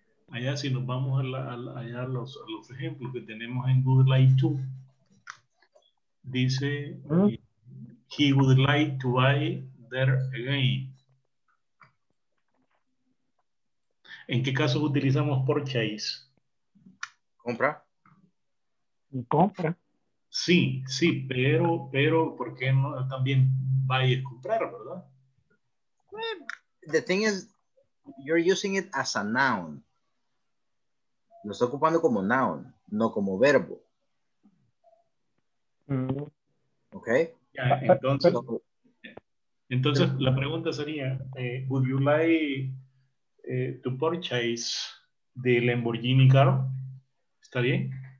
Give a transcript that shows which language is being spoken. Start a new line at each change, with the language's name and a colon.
Spanish: Allá, si nos vamos allá a los ejemplos que tenemos en
English: would like to,
Spanish: dice,
English: he would like to buy there again.
Spanish: ¿En qué caso utilizamos purchase? ¿Compra? ¿Compra? Sí, sí, pero ¿por qué no también buy es comprar, verdad?
English: The thing is, you're using it as a noun.
Spanish: Lo está ocupando como noun, no como verbo. Mm-hmm. Okay.
English: Yeah,
Spanish: entonces la pregunta sería,
English: would you like to purchase the Lamborghini car?
Spanish: ¿Está bien?